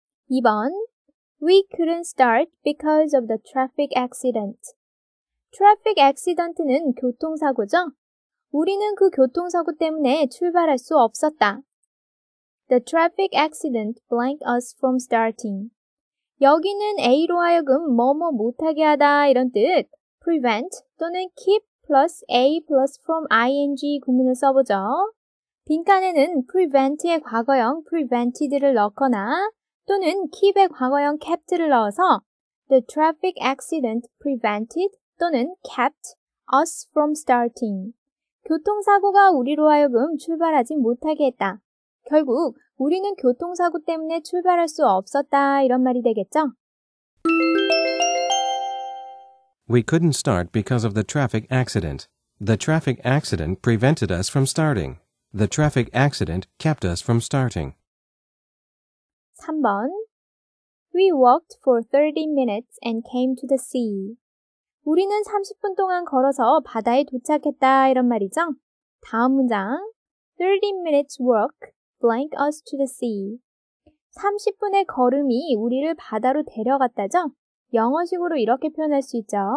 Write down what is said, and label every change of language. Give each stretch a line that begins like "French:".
English: 2번 We couldn't start because of the traffic accident.
Korean: Traffic accident는 교통사고죠? 우리는 그 교통사고 때문에 출발할 수 없었다.
English: The traffic accident blanked us from starting.
Korean: 여기는 A로 하여금 뭐뭐 못하게 하다 이런 뜻 prevent 또는 keep plus A plus from ing 구문을 써보죠. 빈칸에는 prevent의 과거형 prevented를 넣거나 또는 keep의 과거형 kept를 넣어서
English: the traffic accident prevented 또는 kept us from starting.
Korean: 교통사고가 우리로 하여금 출발하지 못하게 했다. 결국 우리는 교통사고 때문에 출발할 수 없었다 이런 말이 되겠죠?
English: We couldn't start because of the traffic accident. The traffic accident prevented us from starting. The traffic accident kept us from starting. 3번 We walked for 30 minutes and came to the sea.
Korean: 우리는 30분 동안 걸어서 바다에 도착했다 이런 말이죠? 다음 문장
English: 30 minutes walk blank us to the sea.
Korean: 30분의 걸음이 우리를 바다로 데려갔다죠? 영어식으로 이렇게 표현할 수 있죠.